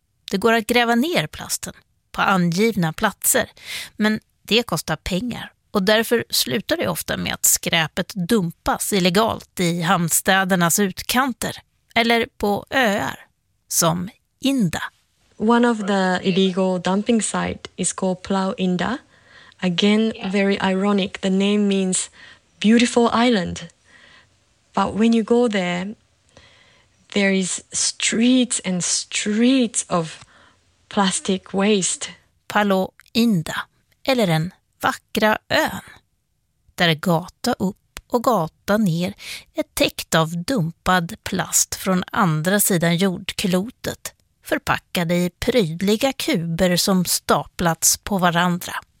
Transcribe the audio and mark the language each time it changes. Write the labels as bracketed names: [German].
[Swedish] Det går att gräva ner plasten på angivna platser, men det kostar pengar. Och därför slutar det ofta med att skräpet dumpas illegalt i hamnstädernas utkanter eller på öar som Inda. [English] One of the illegal dumping site is called Pulau Inda. Again, very ironic. The name means beautiful island. But when you go there, there is streets and streets of plastic waste. [Swedish] Pulau Inda, eller en vackra ön, där gata upp och gata ner är täckt av dumpad plast från andra sidan jordklotet, förpackade i prydliga kuber som staplats på varandra.